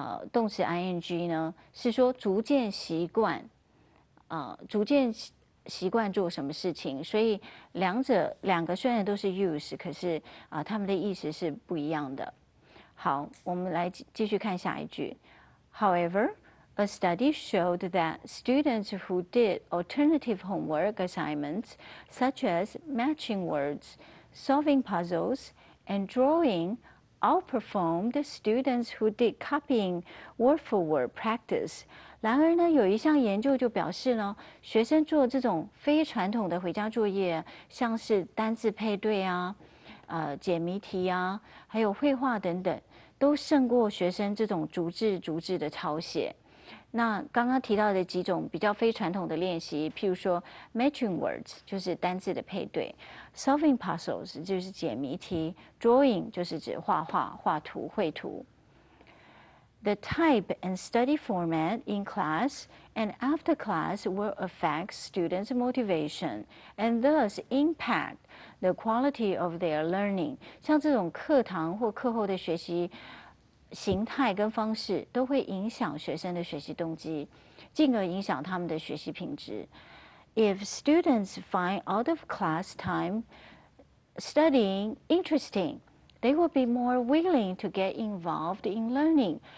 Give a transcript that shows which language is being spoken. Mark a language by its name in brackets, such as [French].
[Chinese] 动词 ing 呢，是说逐渐习惯，逐渐习惯做什么事情，所以两个虽然都是 use， 可是他们的意思是不一样的。好，我们来继续看下一句。 [English] However, a study showed that students who did alternative homework assignments, such as matching words, solving puzzles, and drawing. Outperformed the students who did copying word for word practice. [Chinese] 然而呢，有一项研究就表示呢，学生做这种非传统的回家作业，像是单字配对啊，解谜题啊，还有绘画等等，都胜过学生这种逐字逐字的抄写。那刚刚提到的几种比较非传统的练习，譬如说 [English] matching words [Chinese] 就是单字的配对 ， [English] solving puzzles [Chinese] 就是解谜题 ，drawing 就是指画画、画图、绘图。 [English] The type and study format in class and after class will affect students' motivation and thus impact the quality of their learning. [Chinese] 像这种课堂或课后的学习形态跟方式都会影响学生的学习动机，进而影响他们的学习品质。 [English] If students find out of class time studying interesting, they will be more willing to get involved in learning.